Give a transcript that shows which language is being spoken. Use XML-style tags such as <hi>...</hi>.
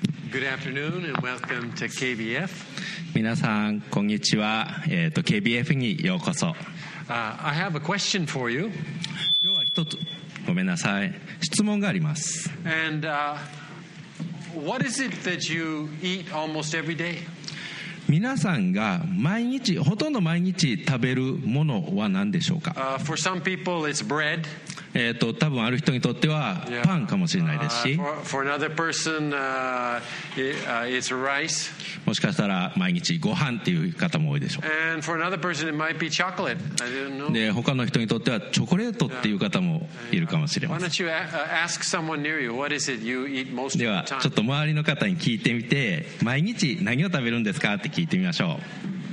<en>Good afternoon and welcome to KBF.</en> <ja>皆さんこんにちは。KBF にようこそ。</ja> <en>I have a question for you.</en> <ja>今日は一つ、ごめんなさい。質問があります。</ja> <en>And what is it that you eat almost every day?</en> <ja>皆さんが毎日、ほとんど毎日食べるものは何でしょうか？</ja> <en>For some people, it's bread.</en> <ja>多分ある人にとってはパンかもしれないですし、</ja> <en>for another person, it's rice.</en> <ja>もしかしたら毎日ご飯っていう方も多いでしょう。</ja> <en>And for another person, it might be chocolate. I don't know.</en> <ja>で他の人にとってはチョコレートっていう方もいるかもしれません。</ja> <en>Why don't you ask someone near you, what is it you eat most of the time?</en> <ja>ではちょっと周りの方に聞いてみて、毎日何を食べるんですかって聞いてみましょう。</ja>